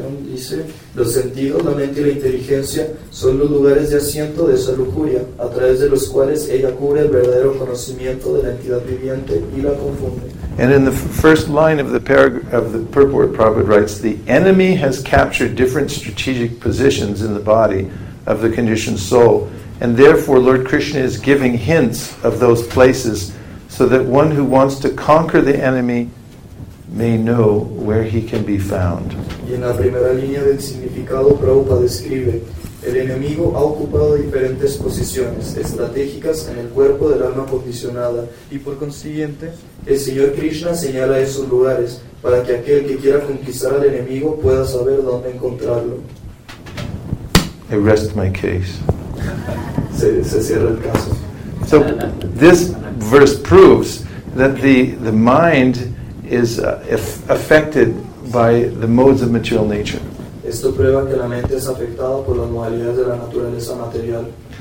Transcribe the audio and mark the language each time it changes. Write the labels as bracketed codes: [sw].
[es] Dice, los sentidos, la mente y la inteligencia son los lugares de asiento de esa lujuria, a través de los cuales ella cubre el verdadero conocimiento de la entidad viviente y la confunde. [en] And in the first line of the paragraph of the purport, Prabhupada writes, the enemy has captured different strategic positions in the body of the conditioned soul, and therefore Lord Krishna is giving hints of those places so that one who wants to conquer the enemy may know where he can be found. [es] Y en la primera línea del significado, Prabhupada describe, el enemigo ha ocupado diferentes posiciones estratégicas en el cuerpo del alma condicionada, y por consiguiente, el Señor Krishna señala esos lugares para que aquel que quiera conquistar al enemigo pueda saber dónde encontrarlo. [en] I rest my case. [es] Se cierra el caso. [en] So, this verse proves that the mind is affected by the modes of material nature. [es] Esto prueba que la mente es afectada por las modalidades de la naturaleza material.